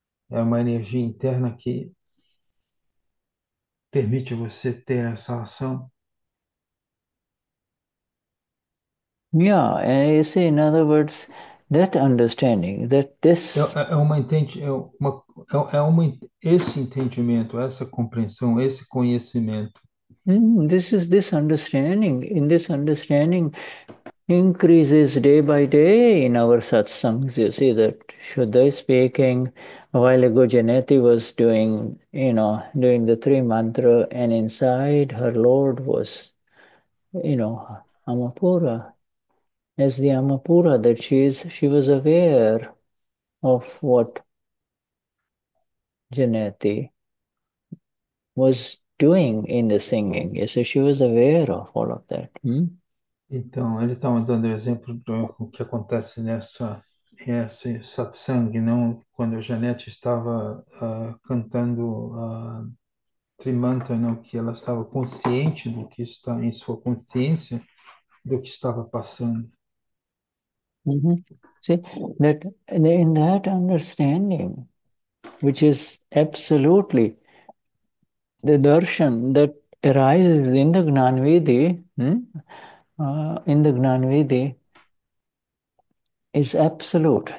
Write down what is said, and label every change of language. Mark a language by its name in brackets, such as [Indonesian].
[Portuguese] É uma energia interna que permite você ter essa ação. [English] Yeah, you see, in other words, that understanding that this. [Portuguese] Esse entendimento, essa compreensão, esse conhecimento. [English] This is this understanding. In this understanding, increases day by day in our satsangs. You see that Shuddha is speaking, while ago Janeti was doing the three mantra, and inside her Lord was, Amapura. As the Amapura that she was aware of what Janeti was doing in the singing. So she was aware of all of that. [Portuguese] Então, ele estava dando exemplo do que acontece nesse satsang, não? Quando a Janete estava cantando a Trimantra, não? Que ela estava consciente do que está em sua consciência, do que estava passando. [English] See that in that understanding, which is absolutely the darshan that arises in the Gnanvidhi, in the Gnanvidhi, is absolute.